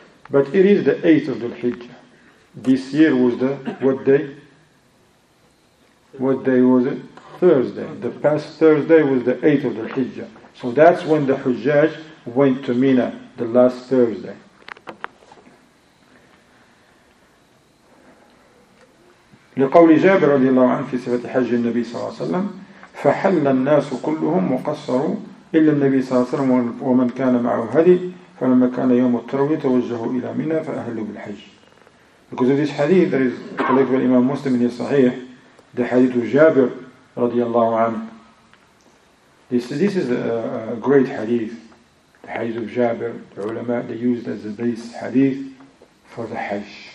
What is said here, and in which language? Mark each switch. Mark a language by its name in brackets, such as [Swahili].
[English] But it is the 8th of Dhul Hijjah. This year was the what day was it? Thursday. The past Thursday was the 8th of Dhul Hijjah. So that's when the Hijjaj went to Mina, the last Thursday. [Arabic] لقول جابر رضي الله عنه في صفة حج النبي صلى الله عليه وسلم فحل الناس كلهم وقصروا إلا النبي صلى الله عليه وسلم ومن كان معه هدي فلما كان يوم التروية توجهوا إلى منى فأهلوا بالحج. [English] Because of this hadith, there is according to Imam Muslim in his Sahih, the hadith of Jabir [Arabic] رضي الله عنه. [English] This is a great hadith. The hadith of Jabir, the ulama, they used as a base hadith for the Hajj.